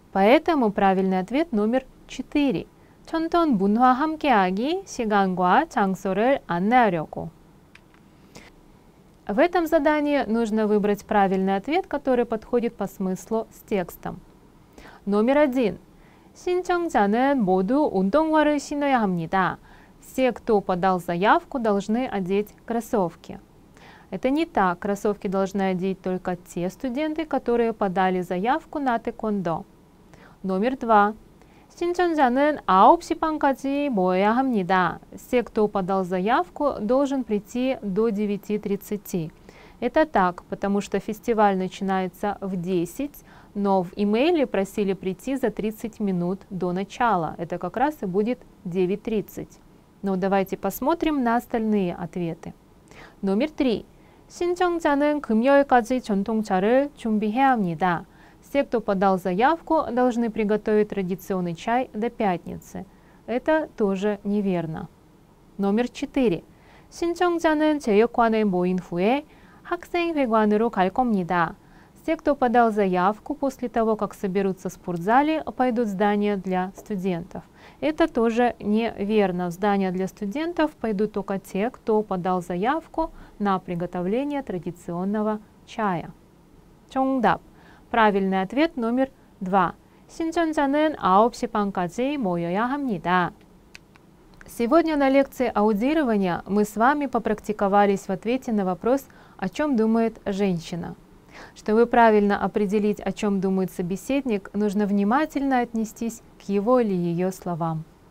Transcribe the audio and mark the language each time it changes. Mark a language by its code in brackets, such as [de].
[ru] Поэтому правильный ответ номер 4. [ko] Чонтон бунхва хамкеаги сиганга чангсорэл аннеарёгу. [ru] В этом задании нужно выбрать правильный ответ, который подходит по смыслу с текстом. Номер 1. [ko] 신청자는 모두 운동화를 신어야 합니다. [ru] Все, кто подал заявку, должны одеть кроссовки. Это не так. Кроссовки должны одеть только те студенты, которые подали заявку на тэквондо. Номер 2. [ko] 신청자는 9시 반까지 모여야 합니다. [ru] Все, кто подал заявку, должен прийти до 9:30. Это так, потому что фестиваль начинается в 10, но в имейле просили прийти за 30 минут до начала. Это как раз и будет 9:30. Но давайте посмотрим на остальные ответы. Номер 3. [ko] 신청자는 금요일까지 전통차를 준비해야 합니다. [ru] Те, кто подал заявку, должны приготовить традиционный чай до пятницы. Это тоже неверно. Номер 4. [ko] 신청자는 체육관에 모인 후에 학생회관으로 갈 겁니다. [ru] Те, кто подал заявку, после того, как соберутся в спортзале, пойдут в здание для студентов. Это тоже неверно. В здание для студентов пойдут только те, кто подал заявку на приготовление традиционного чая. [ko] 정답. [ru] Правильный ответ номер 2. [ko] 신청자는 9시 반까지 모여야 합니다. [ru] Сегодня на лекции аудирования мы с вами попрактиковались в ответе на вопрос, о чем думает женщина. Чтобы правильно определить, о чем думает собеседник, нужно внимательно отнестись к его или ее словам.